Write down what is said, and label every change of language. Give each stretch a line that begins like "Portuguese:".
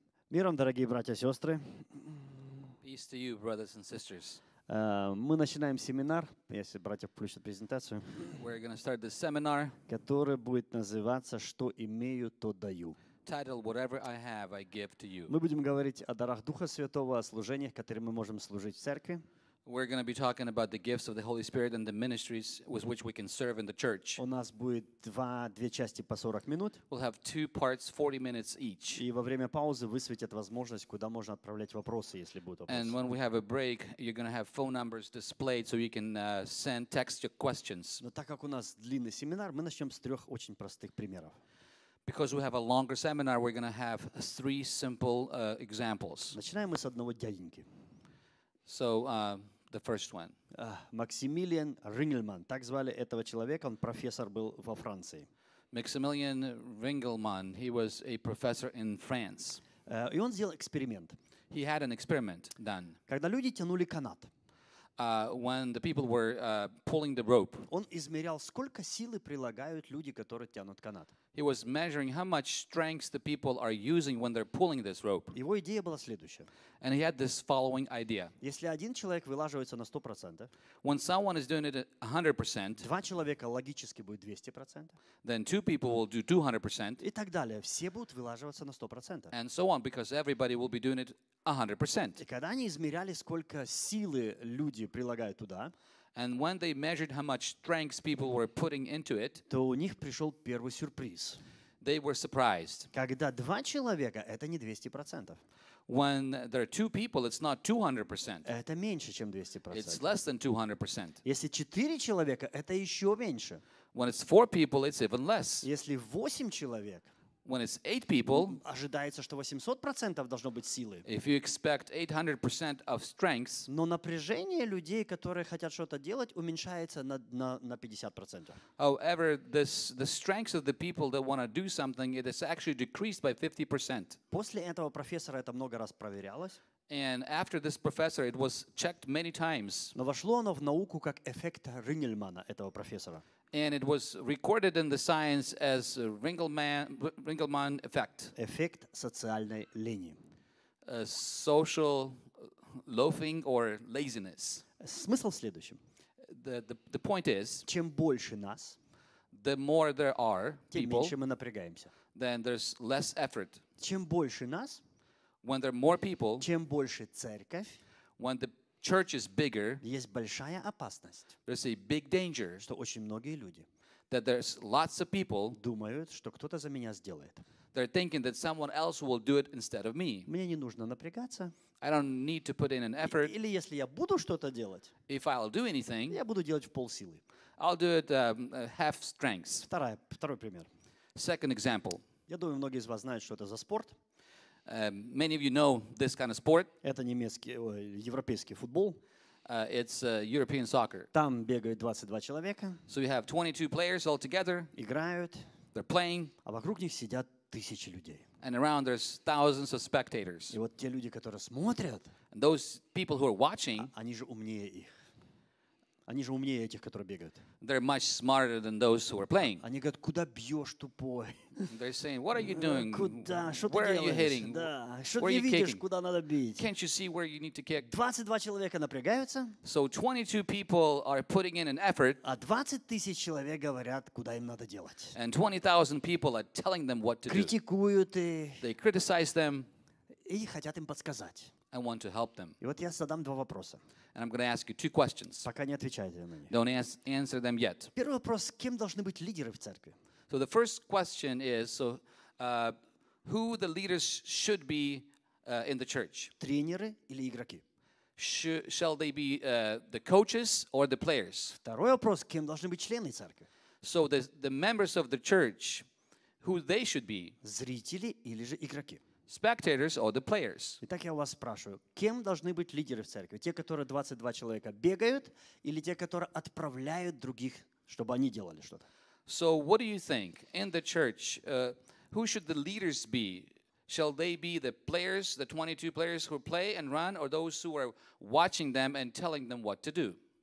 Russian: Миром, дорогие братья и сестры.
English: Peace to you, brothers and sisters.
Russian: Мы начинаем семинар, если братья включат презентацию.
English: We're going to start the seminar,
Russian: который будет называться «Что имею, то даю».
English: Title, whatever I have, I give to you.
Russian: Мы будем говорить о дарах Духа Святого, о служениях, которые мы можем служить в церкви.
English: We're going to be talking about the gifts of the Holy Spirit and the ministries with which we can serve in the church.
Russian: У нас будет две части по 40 минут.
English: We'll have two parts, 40 minutes each.
Russian: И во время паузы высветят возможность, куда можно отправлять вопросы, если будут вопросы.
English: And when we have a break, you're going to have phone numbers displayed so you can send text your questions.
Russian: Но так как у нас длинный семинар, мы начнем с трех очень простых примеров.
English: Because we have a longer seminar, we're going to have three simple examples.
Russian: Начинаем мы с одного дяденьки.
English: So, the first one.
Russian: Максимилиан Рингельман. Так звали этого человека. Он профессор был во Франции.
English: Maximilian Ringelmann, he was a professor in France.
Russian: И он сделал эксперимент.
English: He had an experiment done.
Russian: Когда люди тянули канат.
English: When the people were pulling the rope.
Russian: Он измерял, сколько силы прилагают люди, которые тянут канат.
English: He was measuring how much strength the people are using when they're pulling this rope.
Russian: Его идея была следующая.
English: And he had this following idea.
Russian: Если один человек вылаживается на 100%,
English: when someone is doing it at 100%,
Russian: два человека логически будет 200%,
English: then two people will do 200%,
Russian: и так далее. Все будут вылаживаться на 100%.
English: And so on, because everybody will be doing it 100%.
Russian: И когда они измеряли, сколько силы люди прилагают туда,
English: and when they measured how much strength people were putting into it,
Russian: то у них пришел первый сюрприз.
English: They were surprised.
Russian: Когда два человека, это не 200%.
English: When there are two people, it's not 200%.
Russian: Это меньше, чем 200%.
English: It's less than 200%.
Russian: Если четыре человека, это еще меньше.
English: When it's four people, it's even less.
Russian: Если восемь человек,
English: when it's eight people,
Russian: ожидается, что 800% должно быть силы.
English: If you expect 800% of strength,
Russian: но напряжение людей, которые хотят что-то делать, уменьшается на 50%.
English: However, the strength of the people that want to do something, it is actually decreased by 50%.
Russian: После этого профессора это много раз проверялось.
English: And after this professor, it was checked many times.
Russian: Но вошло оно в науку как эффект Рингельмана, этого профессора.
English: And it was recorded in the science as Ringelmann effect.
Russian: Эффект социальной лени.
English: Social loafing or laziness.
Russian: Смысл в следующем.
English: The point is,
Russian: чем больше нас,
English: the more there are
Russian: тем
English: people,
Russian: меньше мы напрягаемся.
English: Then there's less effort.
Russian: Чем больше нас,
English: when there are more people,
Russian: чем больше церковь,
English: when the church is bigger,
Russian: есть большая опасность,
English: there's a big danger,
Russian: что очень многие люди,
English: that there's lots of people,
Russian: думают, что кто-то за меня сделает.
English: They're thinking that someone else will do it instead of me.
Russian: Мне не нужно напрягаться.
English: I don't need to put in an effort.
Russian: Или если я буду что-то делать,
English: if I'll do anything,
Russian: я буду делать в полсилы.
English: I'll do it half strength.
Russian: Второй пример.
English: Second example.
Russian: Я думаю, многие из вас знают, что это за спорт.
English: Many of you know this kind of sport.
Russian: Это немецкий, европейский футбол.
English: It's European soccer.
Russian: Там бегают 22 человека.
English: So you have 22 players all together.
Russian: Играют.
English: They're playing.
Russian: А вокруг них сидят тысячи людей.
English: And around there's thousands of spectators.
Russian: И вот те люди, которые смотрят,
English: and those people who are watching,
Russian: они же умнее их. Они же умнее этих, которые бегают.
English: They're much smarter than those who are playing.
Russian: Они говорят, куда бьешь, тупой?
English: They're saying, what are you doing?
Russian: Куда? Что
English: where
Russian: ты
English: are you hitting?
Russian: Да. Что
English: where
Russian: ты
English: are you
Russian: видишь,
English: kicking?
Russian: Куда надо бить?
English: Can't you see where you need to kick?
Russian: 22 человека напрягаются.
English: So 22 people are putting in an effort.
Russian: А 20 тысяч человек говорят, куда им надо делать.
English: And 20,000 people are telling them what to
Russian: критикуют
English: do.
Russian: Критикуют и...
English: They criticize them.
Russian: И хотят им подсказать.
English: I want to help them.
Russian: И вот я задам два вопроса.
English: And I'm going to ask you two questions.
Russian: Пока не отвечайте на них.
English: Don't answer them yet.
Russian: Первый вопрос: кем должны быть лидеры в церкви?
English: So the first question is: so who the leaders should be in the church?
Russian: Тренеры или игроки?
English: Shall they be the coaches or the players?
Russian: Второй вопрос: кем должны быть члены церкви?
English: So the members of the church, who they should be?
Russian: Зрители или же игроки?
English: Spectators or the players.
Russian: Итак, я вас спрашиваю, кем должны быть лидеры в церкви? Те, которые 22 человека бегают, или те, которые отправляют других, чтобы они делали что-то?
English: So what do you think? In the church, who should the leaders be? Shall they be the players, the 22 players who play and run, or those who are watching them and telling them what to do?